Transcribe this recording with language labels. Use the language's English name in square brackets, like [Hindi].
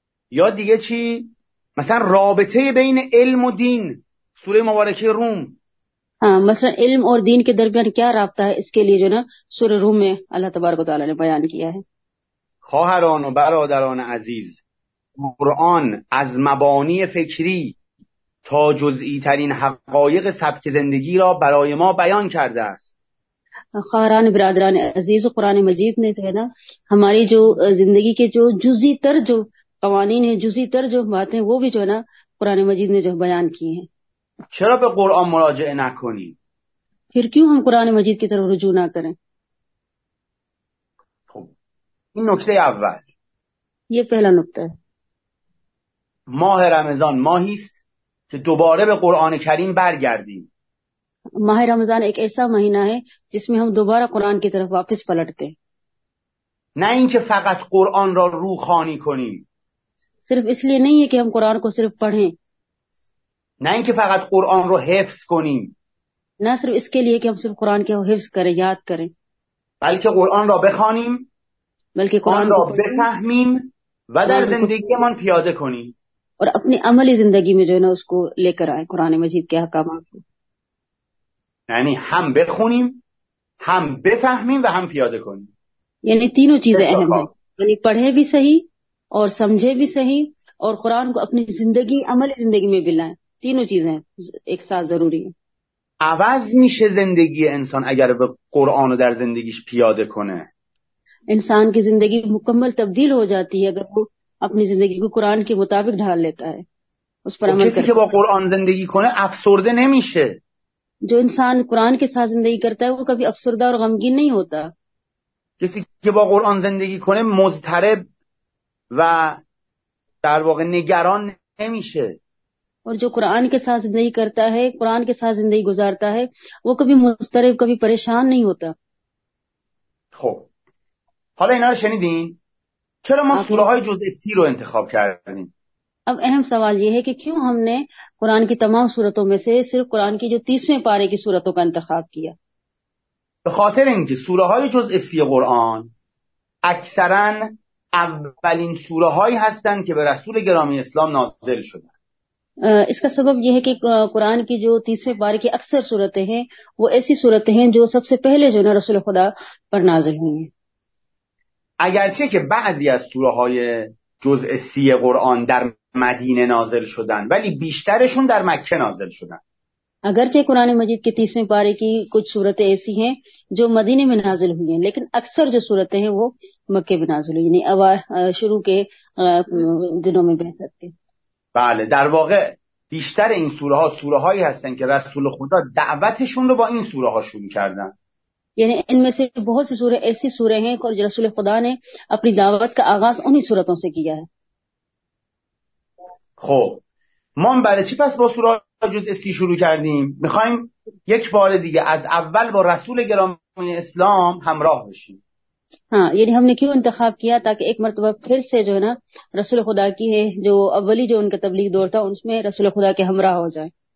[Persian] یا دیگه چی؟ مثلا رابطه بین علم و دین سوره مبارکه روم. [Urdu] ہاں مثلا علم اور دین کے درمیان کیا رابطہ ہے، اس کے لیے جو نا سورہ روم میں اللہ تبارک و تعالی نے بیان کیا ہے. [Persian] خواهران و برادران عزیز، قرآن از مبانی فکری تا جزئی ترین حقایق سبک زندگی را برای ما بیان کرده است. [Urdu] خواهران و برادران عزیز، قرآن مجید نے تو ہے نا ہماری جو زندگی کے جو جزئی تر جو قوانین ہیں، جزئی تر جو باتیں وہ بھی جو ہے نا قرآن مجید نے جو بیان کی ہیں. [Persian] چرا به قرآن مراجعه نکنی؟ [Urdu] پھر کیوں ہم قرآن مجید کی طرف رجوع نہ کریں؟ [Persian] خب این نکته اول. [Urdu] یہ پہلا نکته ہے. [Persian] ماه رمضان ماهیست که دوباره به قرآن کریم برگردیم. [Urdu] ماه رمضان ایک ایسا مہینہ ہے جس میں ہم دوبارہ قرآن کی طرف واپس پلٹتے ہیں. [Persian] نہ اینکه فقط قرآن را روخوانی کنیم. [Urdu] صرف اس لیے نہیں ہے کہ ہم قرآن کو صرف پڑھیں. [Persian] نه اینکه فقط قرآن رو حفظ کنیم. [Urdu] نه صرف اس کے لیے کہ ہم صرف قرآن کو حفظ کریں، یاد کریں. [Persian] بلکه قرآن را بخوانیم. [Urdu] بلکه قرآن [Persian] را بفهمیم و در زندگیمان پیاده کنیم. [Urdu] اور اپنی عملی زندگی میں جو ہے نا اس کو لے کر آئیں قرآن مجید کے احکامات کو. [Persian] یعنی هم بخونیم، هم بفهمیم و هم پیاده کنیم. [Urdu] یعنی تینوں چیزیں اہم ہیں. یعنی پڑھے بھی صحیح اور سمجھے بھی صحیح اور قرآن کو اپنی زندگی عملی زندگی میں بھی لائیں. تینوں چیزیں ایک ساتھ ضروری ہیں. [Persian] عوض میشه زندگی انسان اگر به قرآن در زندگیش پیاده کنه. [Urdu] انسان کی زندگی مکمل تبدیل ہو جاتی ہے اگر وہ اپنی زندگی کو قرآن کے مطابق ڈھال لیتا ہے، اس پر عمل. [Persian] کسی که با قرآن زندگی کنه افسرده نمیشه. [Urdu] جو انسان قرآن کے ساتھ زندگی کرتا ہے وہ کبھی افسردہ اور غمگین نہیں ہوتا. [Persian] کسی که با قرآن زندگی کنه مضطرب و در واقع نگران نمیشه. [Urdu] اور جو قرآن کے ساتھ زندگی کرتا ہے، قرآن کے ساتھ زندگی گزارتا ہے، وہ کبھی مضطرب کبھی پریشان نہیں ہوتا. [Persian] خب حالا اینا رو شنیدین، چرا ما سوره های جزء 30 رو انتخاب کردیم؟ [Urdu] اب اہم سوال یہ ہے کہ کیوں ہم نے قرآن کی تمام سورتوں میں سے صرف قرآن کی جو 30ویں پارے کی سورتوں کا انتخاب کیا؟ [Persian] به خاطر اینکه سوره های جزء 30 قرآن اکثرا اولین سوره هایی هستند که به رسول گرامی اسلام نازل شدن. [Urdu] اس کا سبب یہ ہے کہ قرآن کی جو 30ویں پارے کی اکثر سورتیں ہیں وہ ایسی سورتیں ہیں جو سب سے پہلے جو ہے رسول خدا پر نازل ہوئی ہیں. [Persian] اگرچه که بعضی از سوره های جزء 30 قرآن در مدینه نازل شدن، ولی بیشترشون در مکه نازل شدن. [Urdu] اگرچه قرآن مجید کے 30ویں پارے کی کچھ سورتیں ایسی ہیں جو مدینے میں نازل ہوئی ہیں، لیکن اکثر جو سورتیں ہیں وہ مکے میں نازل ہوئی، یعنی شروع کے دنوں میں بہ سکتے ہیں. [Persian] بله، در واقع بیشتر این سوره ها سوره هایی هستن که رسول خدا دعوتشون رو با این سوره ها شروع کردن. [Urdu] یعنی ان میں سے بہت سی سوره ایسی سوره ہیں کہ رسول خدا نے اپنی دعوت کا آغاز انہی سورتوں سے کیا ہے. [Persian] خب ما برای چی پس با سوره جزء 30 شروع کردیم؟ میخوایم یک بار دیگه از اول با رسول گرامی اسلام همراه بشیم. [Urdu] ہاں، یعنی ہم نے کیوں انتخاب کیا؟ تاکہ ایک مرتبہ پھر سے جو ہے نا رسول خدا کی ہے جو اولی جو ان کا تبلیغ دور تھا اس میں رسول خدا کے ہمراہ ہو جائے.